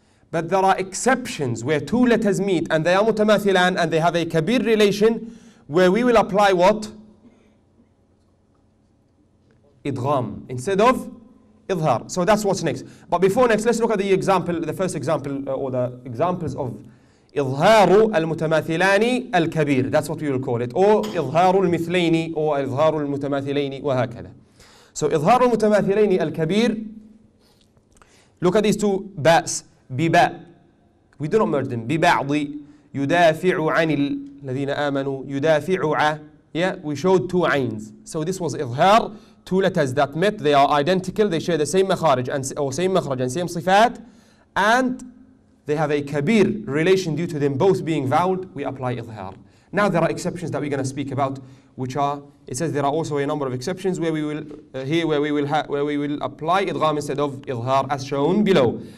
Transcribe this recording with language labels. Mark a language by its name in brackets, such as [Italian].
[English] But there are exceptions where two letters meet, and they are mutamathilan, and they have a kabir relation, where we will apply what? Idgham, instead of idhar. So that's what's next. But before next, let's look at the example, the first example, or the examples of إظهار المتماثلان الكبير. That's what we will call it. [Arabic] Or إظهار المثلين or إظهار المتماثلين وهكذا. So إظهار المتماثلين الكبير. [English] Look at these two باس. بباء. We do not merge them. [Arabic] ببعض يدافع عن الذين آمنوا يدافع عن. [English] Yeah, we showed two عينز. So this was إظهار. Two letters that met. They are identical. They share the same مخارج and or same مخرج and same صفات. And they have a kabir relation due to them both being vowed, we apply idhar. Now there are exceptions that we're going to speak about, which are, it says there are also a number of exceptions where we will where we will apply idgham instead of idhar as shown below.